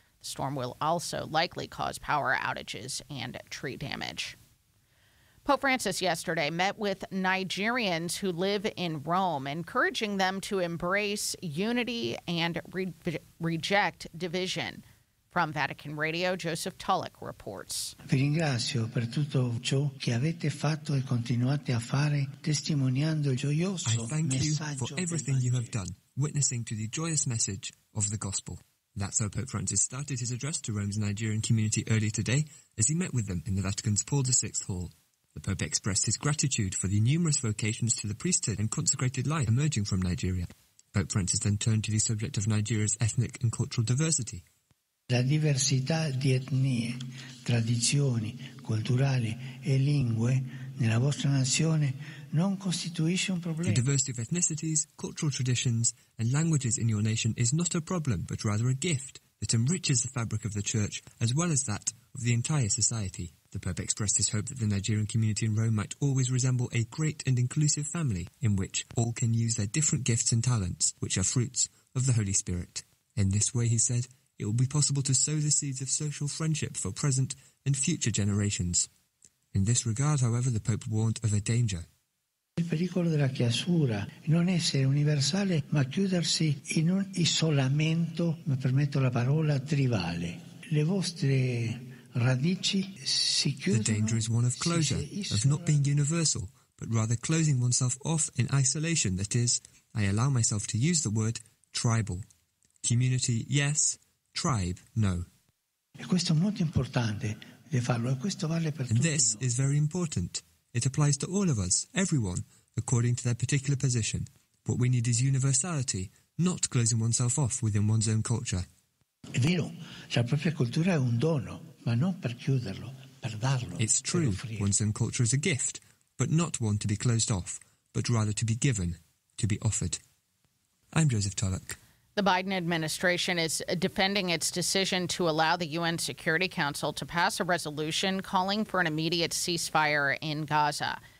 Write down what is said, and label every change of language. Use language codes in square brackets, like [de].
[en] The storm will also likely cause power outages and tree damage. Pope Francis yesterday met with Nigerians who live in Rome, encouraging them to embrace unity and reject division. From Vatican Radio, Joseph Tulloch reports. [it] Vi ringrazio per tutto ciò che avete fatto e continuate a fare, testimoniando il gioioso messaggio. [en] I thank you for everything you have done, witnessing to the joyous message of the gospel. That's how Pope Francis started his address to Rome's Nigerian community early today, as he met with them in the Vatican's Paul VI Hall. The Pope expressed his gratitude for the numerous vocations to the priesthood and consecrated life emerging from Nigeria. Pope Francis then turned to the subject of Nigeria's ethnic and cultural diversity. [it] La diversità di etnie, tradizioni, culturali e lingue nella vostra nazione non costituisce un problema. [en] The diversity of ethnicities, cultural traditions and languages in your nation is not a problem, but rather a gift that enriches the fabric of the Church as well as that of the entire society. The Pope expressed his hope that the Nigerian community in Rome might always resemble a great and inclusive family in which all can use their different gifts and talents, which are fruits of the Holy Spirit. In this way, he said, it will be possible to sow the seeds of social friendship for present and future generations. In this regard, however, the Pope warned of a danger. [it] Il pericolo della chiusura non essere universale, ma chiudersi in un isolamento, mi permetto la parola, tribale. Le vostre radici si chiudono. [en] The danger is one of closure, of not being universal, but rather closing oneself off in isolation. That is, I allow myself to use the word tribal. Community, yes. Tribe, no. [it] E questo è molto importante di farlo, e questo vale per [en] tutti. And this is very important. It applies to all of us, everyone, according to their particular position. What we need is universality, not closing oneself off within one's own culture. [it] È vero, la propria cultura è un dono. Ma non per chiuderlo, per darlo, [en] it's true, [it] per offrire. [en] One's own culture is a gift, but not one to be closed off, but rather to be given, to be offered. I'm Joseph Tullock. The Biden administration is defending its decision to allow the UN Security Council to pass a resolution calling for an immediate ceasefire in Gaza.